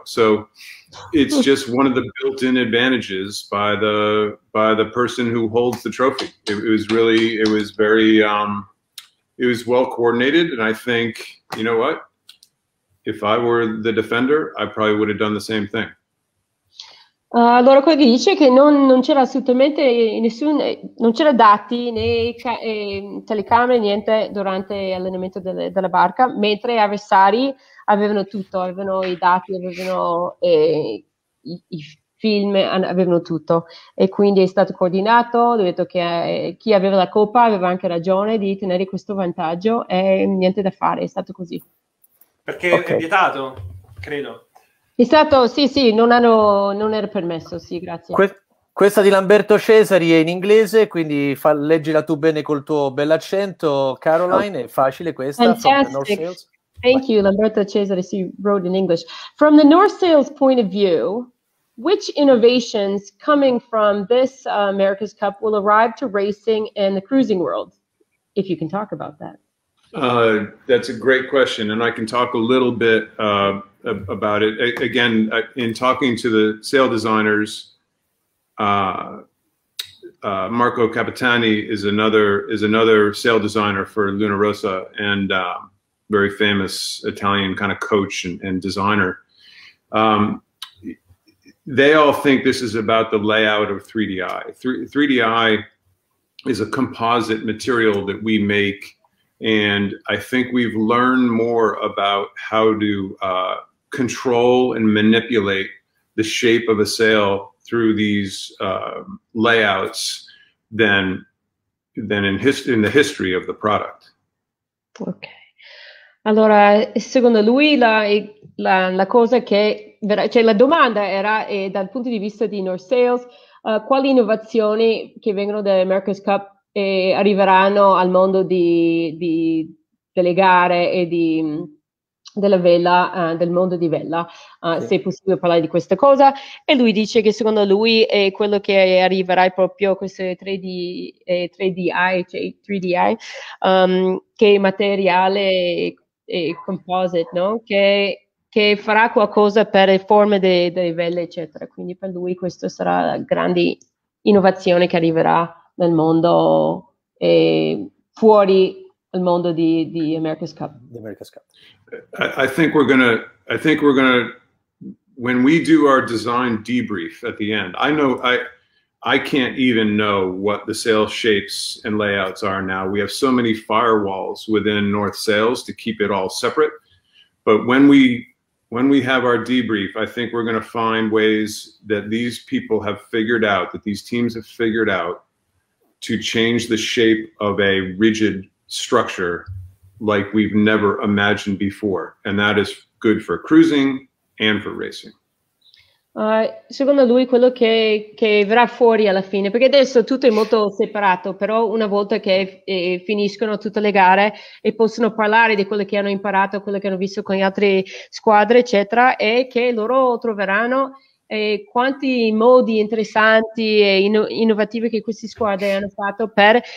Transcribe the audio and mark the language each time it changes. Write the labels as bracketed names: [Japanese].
[English] So it's just one of the built-in advantages by the person who holds the trophy. It was well coordinated, and I think, you know what? If I were the defender, I probably would have done the same thing. [Italian] Allora, quello che dice è che non c'era assolutamente nessun, non c'era dati né telecamere, niente durante l'allenamento della barca, mentre gli avversari avevano tutto, avevano i dati, avevano i film, avevano tutto. E quindi è stato coordinato, ho detto che chi aveva la coppa aveva anche ragione di tenere questo vantaggio e niente da fare, è stato così. Perché è vietato, credo. È stato, sì, non era permesso, sì, grazie. Questa di Lamberto Cesari è in inglese, quindi leggila tu bene col tuo bell'accento, Caroline, è facile questa. [English] Fantastic. Thank you, Lamberto Cesari, so you wrote in English. From the North Sails point of view, which innovations coming from this America's Cup will arrive to racing and the cruising world, if you can talk about that? That's a great question, and I can talk a little bit about it. Again, in talking to the sail designers, Marco Capitani is another sail designer for Lunarossa and very famous Italian kind of coach and designer. They all think this is about the layout of 3DI. 3DI is a composite material that we make. And I think we've learned more about how to control and manipulate the shape of a sail through these layouts than in the history of the product. Ok. [Italian] Allora, secondo lui la cosa che la domanda era dal punto di vista di North Sails, quali innovazioni che vengono da America's Cup e arriveranno al mondo delle gare e della vela, del mondo di vela, se è possibile parlare di questa cosa. E lui dice che secondo lui è quello che arriverà è proprio questo 3DI, che è materiale e composite, no? Che farà qualcosa per le forme delle vele, eccetera. Quindi per lui questa sarà la grande innovazione che arriverà nel mondo e fuori il mondo di America's Cup. [English] I think we're gonna when we do our design debrief at the end, I can't even know what the sail shapes and layouts are now. We have so many firewalls within North Sails to keep it all separate. But when we have our debrief, I think we're gonna find ways that these people have figured out, that these teams have figured out to change the shape of a rigid structure like we've never imagined before. And that is good for cruising and for racing. [Italian] Secondo lui quello che verrà fuori alla fine, perché adesso tutto è molto separato, però una volta che finiscono tutte le gare e possono parlare di quello che hanno imparato, quello che hanno visto con le altre squadre, eccetera, e che loro troveranno e quanti modi interessanti e innovativi che queste squadre hanno fatto per